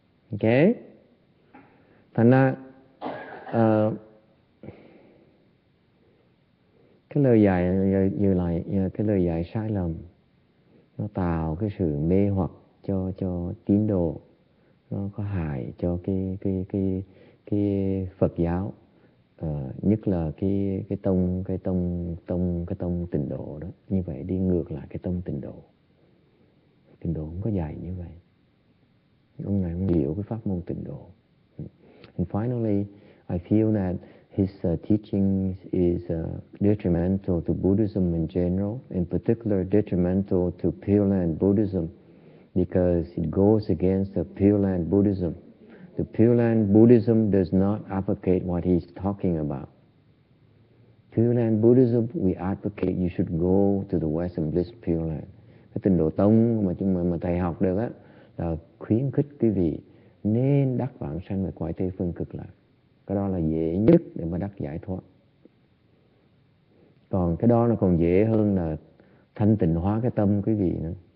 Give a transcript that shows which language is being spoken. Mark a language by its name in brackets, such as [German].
[Vietnamese] Ok, thành ra cái lời dạy như lại cái lời dạy sai lầm, nó tạo cái sự mê hoặc cho tín đồ, nó có hại cho cái Phật giáo, nhất là cái tông tịnh độ đó. Như vậy đi ngược lại cái tông tịnh độ không có dạy như vậy. Ông này không hiểu cái pháp môn tịnh độ. [English] And finally, I feel that his teaching is detrimental to Buddhism in general, in particular detrimental to Pure Land Buddhism, because it goes against the Pure Land Buddhism. The Pure Land Buddhism does not advocate what he's talking about. Pure Land Buddhism, we advocate you should go to the Western Bliss Pure Land. [Vietnamese] Cái tịnh độ tông mà chúng mà thầy học được á, là khuyến khích quý vị nên đắc vãng sanh về cõi Tây Phương Cực Lạc. Cái đó là dễ nhất để mà đắc giải thoát. Còn cái đó nó còn dễ hơn là thanh tịnh hóa cái tâm quý vị nữa.